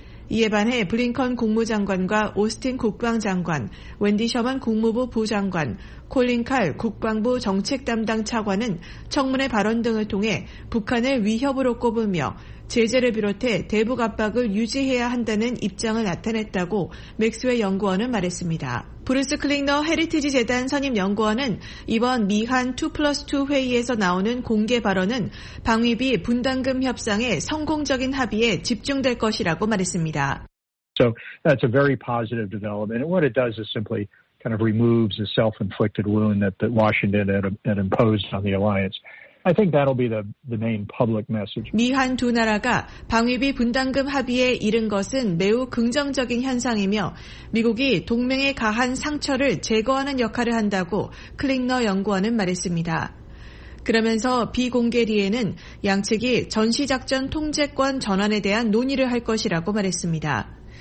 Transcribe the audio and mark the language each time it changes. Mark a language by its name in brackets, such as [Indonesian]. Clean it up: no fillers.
[Korean] 이에 반해 블링컨 국무장관과 오스틴 국방장관, 웬디 셔먼 국무부 부장관, 콜린 칼 국방부 정책 담당 차관은 청문회 발언 등을 통해 북한을 위협으로 꼽으며 제재를 비롯해 대북 압박을 유지해야 한다는 입장을 나타냈다고 맥스웰 연구원은 말했습니다. 브루스 클링너 헤리티지 재단 선임 연구원은 이번 미한 2+2 회의에서 나오는 공개 발언은 방위비 분담금 협상의 성공적인 합의에 집중될 것이라고 말했습니다. [English] So that's a very positive development. And what it does is simply kind of removes the self-inflicted wound that Washington had imposed on the alliance. I think that'll be the main public message. [Korean] 미한 두 나라가 방위비 분담금 합의에 이른 것은 매우 긍정적인 현상이며 미국이 동맹에 가한 상처를 제거하는 역할을 한다고 클링너 연구원은 말했습니다. 그러면서 비공개리에는 양측이 전시작전 통제권 전환에 대한 논의를 할 것이라고 말했습니다.